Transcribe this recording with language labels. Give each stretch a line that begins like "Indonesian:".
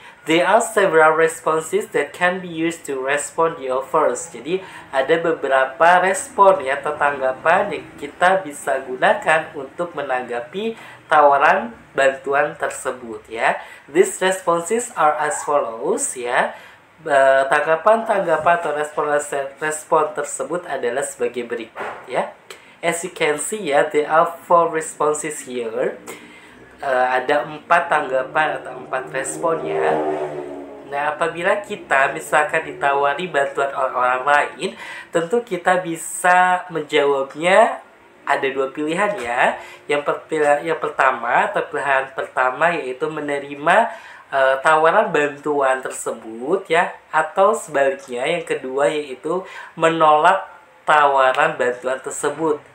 English: There are several responses that can be used to respond the offers.
Indonesian: Jadi ada beberapa respon ya atau tanggapan yang kita bisa gunakan untuk menanggapi tawaran bantuan tersebut ya.
English: These responses are as follows
Indonesian: ya. Tanggapan-tanggapan atau respon tersebut adalah sebagai berikut ya.
English: As you can see ya, there are four responses here.
Indonesian: Ada empat tanggapan atau empat respon ya. Nah, apabila kita misalkan ditawari bantuan oleh orang lain, tentu kita bisa menjawabnya ada dua pilihan ya. Yang pertama yaitu menerima tawaran bantuan tersebut ya, atau sebaliknya yang kedua yaitu menolak tawaran bantuan tersebut.